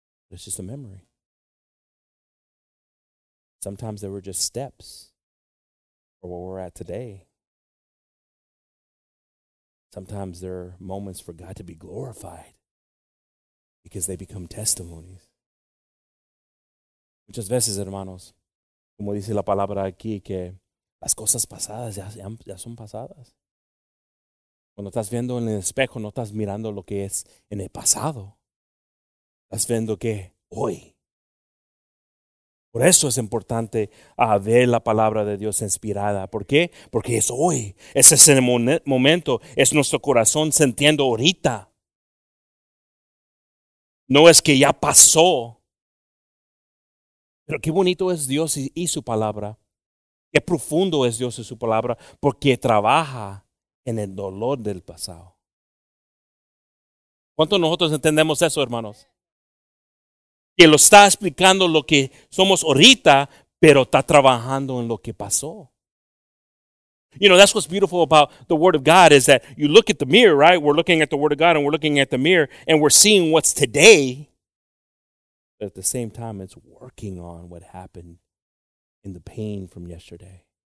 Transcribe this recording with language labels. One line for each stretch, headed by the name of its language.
English: It's just a memory. Sometimes they were just steps for where we're at today. Sometimes there are moments for God to be glorified because they become testimonies.
Spanish: Muchas veces, hermanos, como dice la palabra aquí, que las cosas pasadas ya son pasadas. Cuando estás viendo en el espejo, no estás mirando lo que es en el pasado. Estás viendo que hoy. Por eso es importante ver la palabra de Dios inspirada. ¿Por qué? Porque es hoy. Es ese momento. Es nuestro corazón sintiendo ahorita. No es que ya pasó. Pero qué bonito es Dios y su palabra. Qué profundo es Dios y su palabra. Porque trabaja en el dolor del pasado. ¿Cuántos nosotros entendemos eso, hermanos? Que lo está explicando lo que somos ahorita, pero está trabajando en lo que pasó.
English: You know, that's what's beautiful about the Word of God is that you look at the mirror, right? We're looking at the Word of God and we're looking at the mirror and we're seeing what's today. But at the same time, it's working on what happened in the pain from yesterday.